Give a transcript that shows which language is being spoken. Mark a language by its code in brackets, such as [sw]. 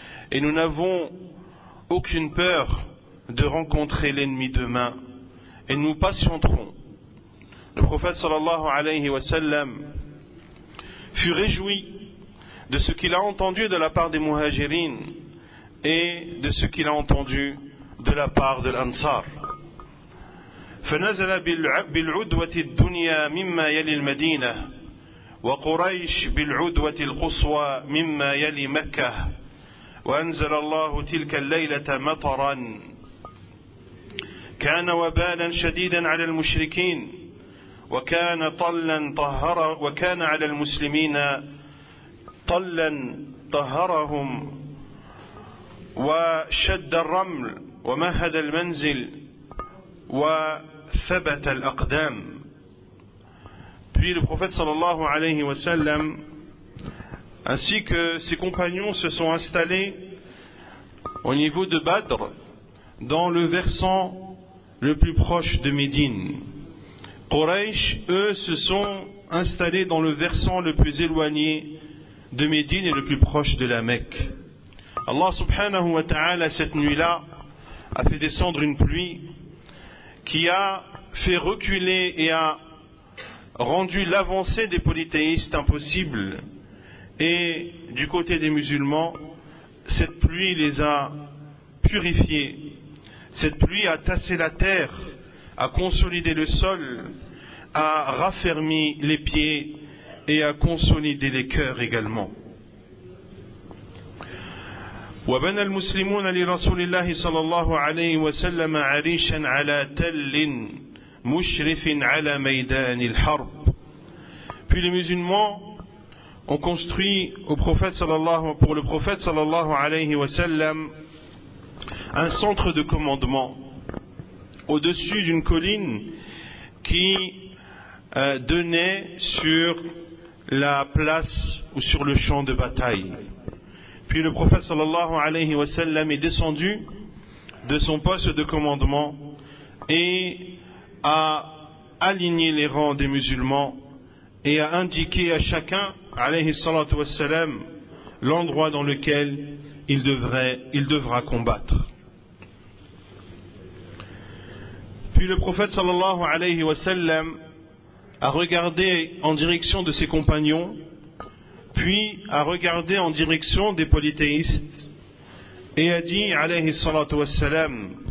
[fr] Et nous n'avons aucune peur de rencontrer l'ennemi demain. Et nous patienterons. Le prophète sallallahu alayhi wa sallam fut réjoui de ce qu'il a entendu de la part des muhajirin et de ce qu'il a entendu de la part de l'ansar. [ar] فنزل بالعدوة الدنيا مما يلي المدينة وقريش بالعدوة القصوى مما يلي مكة وأنزل الله تلك الليلة مطرا كان وبالا شديدا على المشركين وكان طلا طهر وكان على المسلمين طلا طهرهم وشد الرمل ومهد المنزل و ثبت الأقدام. [fr] Puis le prophète sallallahu alayhi wa sallam ainsi que ses compagnons se sont installés au niveau de Badr dans le versant le plus proche de Médine. Quraysh, eux, se sont installés dans le versant le plus éloigné de Médine et le plus proche de la Mecque. Allah subhanahu wa ta'ala cette nuit-là a fait descendre une pluie qui a fait reculer et a rendu l'avancée des polythéistes impossible. Et du côté des musulmans, cette pluie les a purifiés. Cette pluie a tassé la terre, a consolidé le sol, a raffermi les pieds et a consolidé les cœurs également. [ar] وبنى المسلمون لرسول الله صلى الله عليه وسلم عريشا على تل مشرف على ميدان الحرب. [fr] Puis les musulmans ont construit pour le prophète sallallahu alayhi wa sallam un centre de commandement au-dessus d'une colline qui donnait sur la place ou sur le champ de bataille. Puis le prophète sallallahu alayhi wa sallam est descendu de son poste de commandement et a aligné les rangs des musulmans et a indiqué à chacun, alayhi salatu wassalam, l'endroit dans lequel il devra combattre. Puis le prophète sallallahu alayhi wa sallam a regardé en direction de ses compagnons, puis a regardé en direction des polythéistes, et a dit, alayhi salatu wassalam,